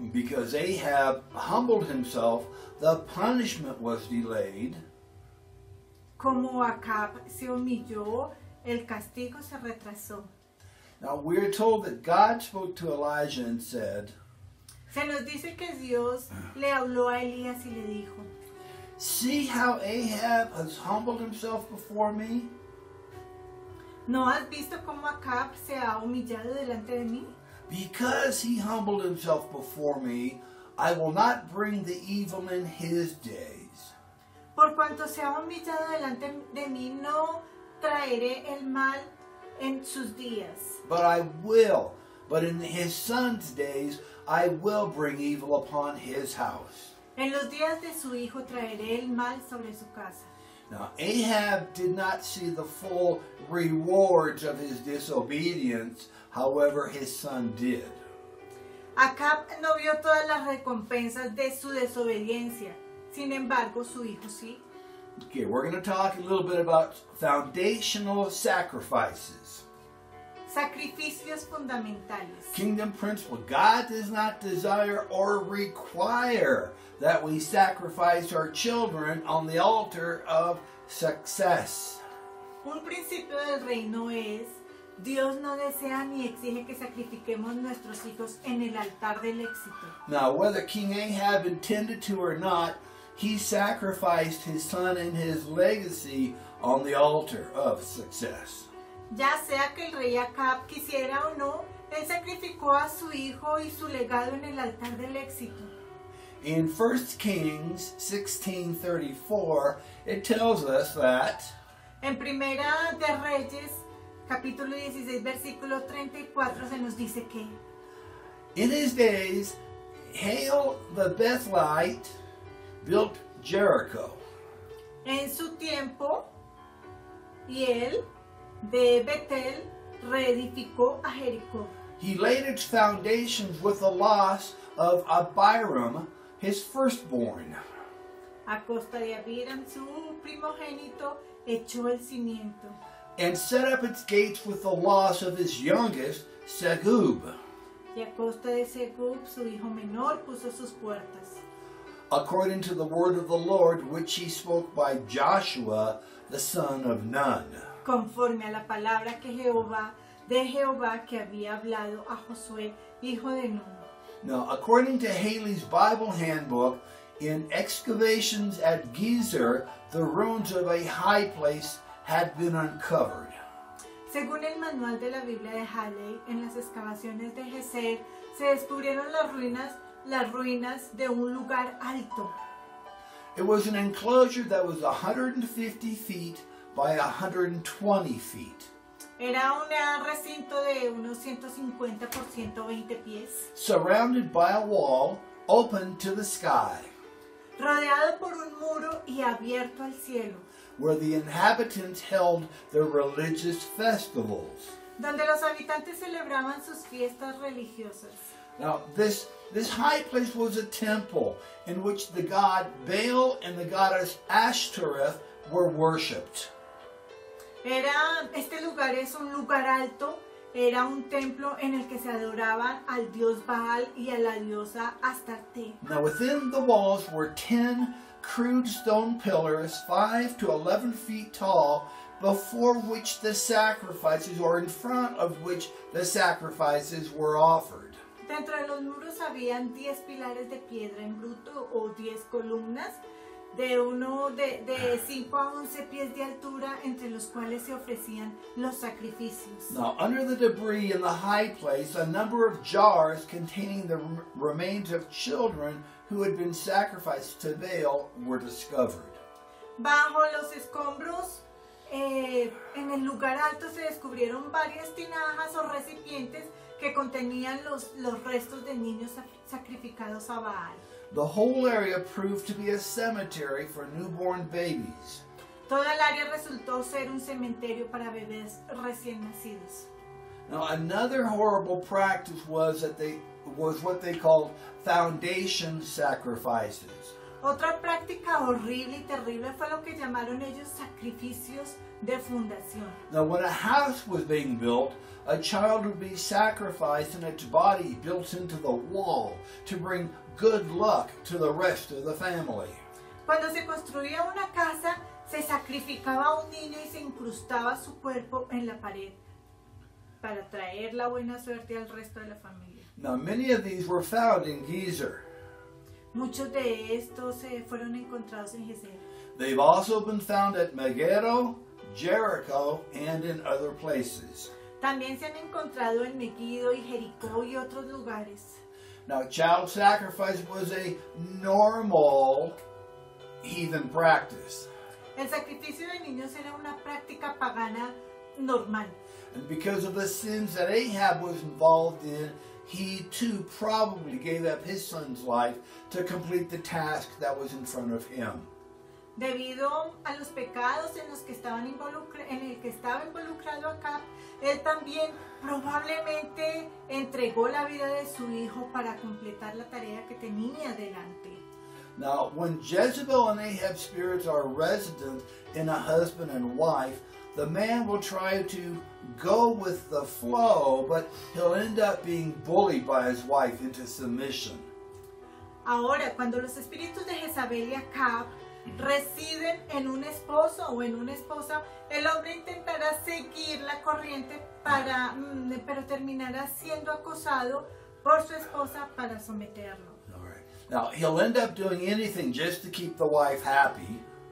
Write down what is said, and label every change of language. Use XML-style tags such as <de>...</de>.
<en>Because Ahab humbled himself, the punishment was delayed.</en> <es>Como Acab se humilló, el castigo se retrasó.</es> <en>Now we're told that God spoke to Elijah and said,</en> <es>se nos dice que Dios le habló a Elías y le dijo,</es> <en>see how Ahab has humbled himself before me?</en> <es>¿No has visto cómo Acab se ha humillado delante de mí?</es> <en>Because he humbled himself before me, I will not bring the evil in his days.</en> <es>Por cuanto se ha humillado delante de mí, no traeré el mal en sus días.</es> <en>But in his son's days, I will bring evil upon his house.</en> <es>En los días de su hijo traeré el mal sobre su casa.</es> <en>Now, Ahab did not see the full rewards of his disobedience, however, his son did.</en> <es>Acab no vio todas las recompensas de su desobediencia, sin embargo, su hijo sí.</es> <en>Okay, we're going to talk a little bit about foundational sacrifices.</en> <es>Sacrificios fundamentales.</es> <en>Kingdom principle. God does not desire or require that we sacrifice our children on the altar of success.</en> <es>Un principio del reino es, Dios no desea ni exige que sacrifiquemos nuestros hijos en el altar del éxito.</es> <en>Now, whether King Ahab intended to or not, he sacrificed his son and his legacy on the altar of success.</en> <es>Ya sea que el rey Acab quisiera o no, él sacrificó a su hijo y su legado en el altar del éxito.</es> <en>In 1 Kings 16:34, it tells us that</en> <es>en Primera de Reyes, capítulo 16, versículo 34, se nos dice que</es> <en>in his days, Hiel the Bethlehemite built Jericho.</en> <es>En su tiempo, Hiel de Betel reedificó a Jericó.</es> <en>He laid its foundations with the loss of Abiram, his firstborn.</en> <es>A costa de Abiram, su primogénito, echó el cimiento.</es> <en>And set up its gates with the loss of his youngest, Segub.</en> <es>Y a costa de Segub, su hijo menor, puso sus puertas.</es> <en>According to the word of the Lord, which he spoke by Joshua, the son of Nun.</en> <es>Conforme a la palabra que Jehová de Jehová que había hablado a Josué, hijo de Nun.</es> <en>Now, according to Haley's Bible handbook, in excavations at Gezer, the ruins of a high place had been uncovered.</en> <es>Según el manual de la Biblia de Haley, en las excavaciones de Gezer, se descubrieron las ruinas de un lugar alto.</es> <en>It was an enclosure that was 150 feet by 120 feet.</en> <es>Era un recinto de unos 150 por 120 pies.</es> <en>Surrounded by a wall open to the sky.</en> <es>Rodeado por un muro y abierto al cielo.</es> <en>Where the inhabitants held their religious festivals.</en> <es>Donde los habitantes celebraban sus fiestas religiosas.</es> <en>Now, this high place was a temple in which the god Baal and the goddess Ashtoreth were worshipped.</en> <es>Este lugar es un lugar alto, era un templo en el que se adoraban al dios Baal y a la diosa Astarte.</es> <en>Now, within the walls were 10 crude stone pillars, 5 to 11 feet tall, before which the sacrifices, or in front of which the sacrifices were offered.</en> <es>Dentro de los muros habían 10 pilares de piedra en bruto o 10 columnas de 5 a 11 pies de altura entre los cuales se ofrecían los sacrificios.</es> <en>Now, under the debris in the high place, a number of jars containing the remains of children who had been sacrificed to Baal were discovered.</en> <es>Bajo los escombros, en el lugar alto se descubrieron varias tinajas o recipientes que contenían los restos de niños sacrificados a Baal.</es> <en>The whole area proved to be a cemetery for newborn babies.</en> <es>Toda el área resultó ser un cementerio para bebés recién nacidos.</es> <en>Now, another horrible practice was what they called foundation sacrifices.</en> <es>Otra práctica horrible y terrible fue lo que llamaron ellos sacrificios de fundación.</es> <en>Now, when a house was being built, a child would be sacrificed and its body built into the wall to bring good luck to the rest of the family.</en> <es>Cuando se construía una casa, se sacrificaba un niño y se incrustaba su cuerpo en la pared para traer la buena suerte al resto de la familia.</es> <en>Now, many of these were found in Gezer.</en> <es>Muchos de estos fueron encontrados en Gezer.</es> <en>They've also been found at Megiddo, Jericho, and in other places.</en> <es>También se han encontrado en Megiddo y Jericó y otros lugares.</es> <en>Now, child sacrifice was a normal heathen practice.</en> <es>El sacrificio de niños era una práctica pagana normal.</es> <en>And because of the sins that Ahab was involved in, he too probably gave up his son's life to complete the task that was in front of him.</en> <es>Debido a los pecados en los que estaban en el que estaba involucrado Acab, él también probablemente entregó la vida de su hijo para completar la tarea que tenía delante.</es> <en>Now, when Jezebel and Ahab's spirits are resident in a husband and wife, the man will try to go with the flow, but he'll end up being bullied by his wife into submission.</en> <es>Ahora, cuando los espíritus de Jezabel y Acab residen en un esposo o en una esposa, el hombre intentará seguir la corriente pero terminará siendo acosado por su esposa para someterlo.</es> <en>All right. Now, he'll end up doing anything just to keep the wife happy.</en>